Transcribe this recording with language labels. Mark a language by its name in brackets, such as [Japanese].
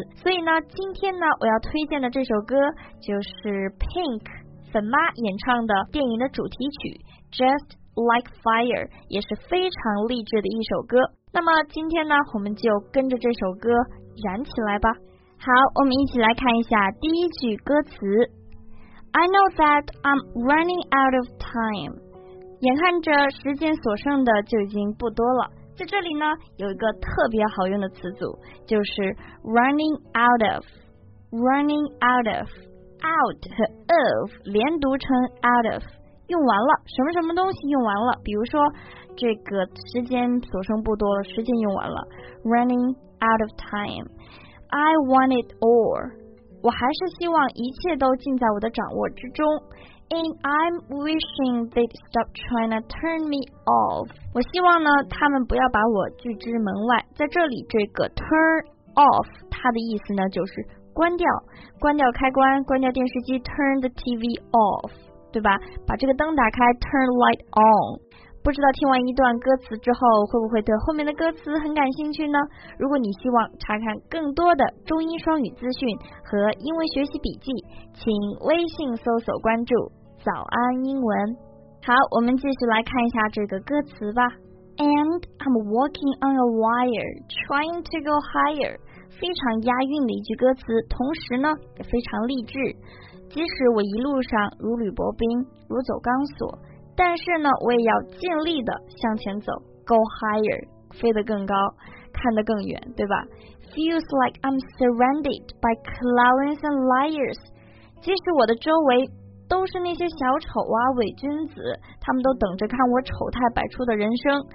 [Chinese] 所以呢，今天呢，我要推荐的这首歌就是 Pink 粉妈演唱的电影的主题曲 Just Like Fire， 也是非常励志的一首歌。那么今天呢，我们就跟着这首歌燃起来吧。好，我们一起来看一下第一句歌词。 [English] I know that I'm running out of time， [Chinese] 眼看着时间所剩的就已经不多了。在这里呢，有一个特别好用的词组，就是 running out of， running out of， out 和 of 连读成 out of， 用完了，什么什么东西用完了，比如说这个时间所剩不多了，时间用完了， [English] running out of time。 I want it all， [Chinese] 我还是希望一切都尽在我的掌握之中。 [English] And I'm wishing they'd stop trying to turn me off， [Chinese] 我希望呢，他们不要把我拒之门外。在这里这个 turn off， 它的意思呢就是关掉，关掉开关，关掉电视机， [English] turn the TV off， [Chinese] 对吧，把这个灯打开， [English] turn light on。 [Chinese] 不知道听完一段歌词之后，会不会对后面的歌词很感兴趣呢？如果你希望查看更多的中英双语资讯和英文学习笔记，请微信搜索关注早安英文。好，我们继续来看一下这个歌词吧。 [English] And I'm walking on a wire trying to go higher， [Chinese] 非常押韵的一句歌词，同时呢也非常励志。即使我一路上如履薄冰，如走钢索，但是呢，我也要尽力的向前走， [English] go higher， [Chinese] 飞得更高，看得更远，对吧？ [English] Feels like I'm surrounded by clowns and liars， [Chinese] 即使我的周围都是那些小丑啊、伪君子，他们都等着看我丑态百出的人生。